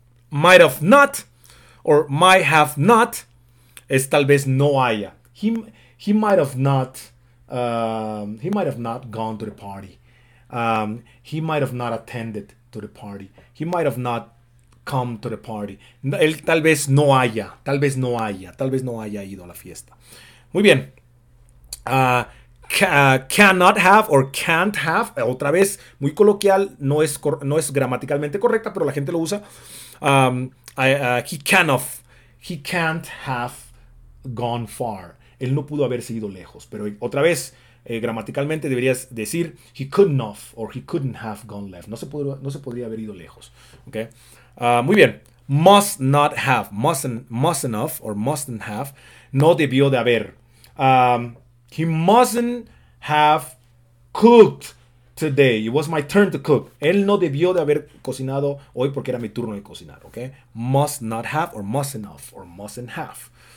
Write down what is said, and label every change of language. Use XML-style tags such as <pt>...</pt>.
<en>might have not, or might have not,</en> <es>es tal vez no haya.</es> <en>He might have not gone to the party. He might have not attended to the party. He might have not come to the party.</en> <es>Él tal vez no haya. Tal vez no haya. Tal vez no haya ido a la fiesta. Muy bien.</es> <en>Cannot have or can't have.</en> <es>Otra vez, muy coloquial. No es gramaticalmente correcta, pero la gente lo usa.</es> <en>He can't have gone far.</en> <es>Él no pudo haberse ido lejos. Pero otra vez, gramaticalmente deberías decir</es> <en>he couldn't have or he couldn't have gone left.</en> <es>No se podría haber ido lejos. Okay. Muy bien.</es> <en>Must not have. Mustn't have or mustn't have.</en> <es>No debió de haber.</es> <en>He mustn't have cooked today. It was my turn to cook.</en> <es>Él no debió de haber cocinado hoy porque era mi turno de cocinar.</es> <en>Okay. Must not have or mustn't have or mustn't have.</en>